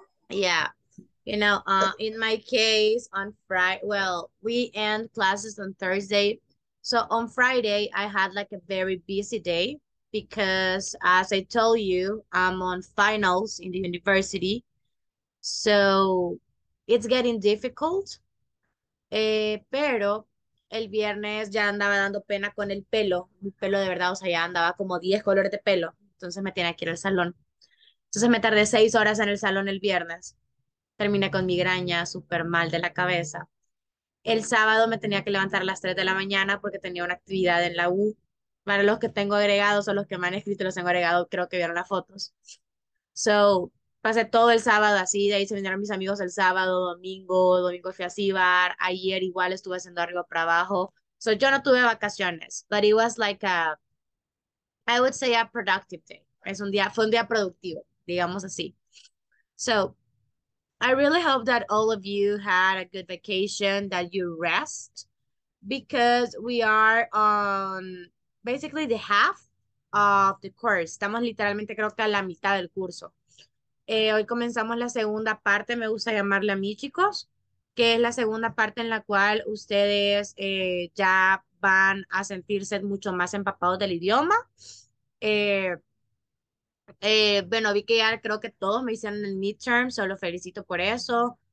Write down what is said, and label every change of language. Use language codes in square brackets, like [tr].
[en] Yeah. In my case, on Friday, well, we end classes on Thursday. So on Friday, I had like a very busy day because, as I told you, I'm on finals in the university. So it's getting difficult. [es] Pero el viernes ya andaba dando pena con el pelo. Mi pelo de verdad, o sea, ya andaba como 10 colores de pelo. Entonces me tenía que ir al salón. Entonces me tardé 6 horas en el salón el viernes. Terminé con migraña súper mal de la cabeza. El sábado me tenía que levantar a las 3 de la mañana porque tenía una actividad en la U. Para los que tengo agregados o los que me han escrito, los tengo agregados, creo que vieron las fotos. So, pasé todo el sábado así, de ahí se vinieron mis amigos el sábado, domingo, fui a Cibar. Ayer igual estuve haciendo arriba para abajo. [en] So, [es] yo no tuve vacaciones, [en] but it was like a, I would say a productive day. [es] Es un día, fue un día productivo, digamos así. [en] So, I really hope that all of you had a good vacation, that you rest, because we are on basically the half of the course. [es] Estamos literalmente, creo que a la mitad del curso. Hoy comenzamos la segunda parte, me gusta llamarla a mí, chicos, que es la segunda parte en la cual ustedes ya van a sentirse mucho más empapados del idioma. Bueno, vi que ya creo que todos me hicieron el midterm, solo felicito por eso.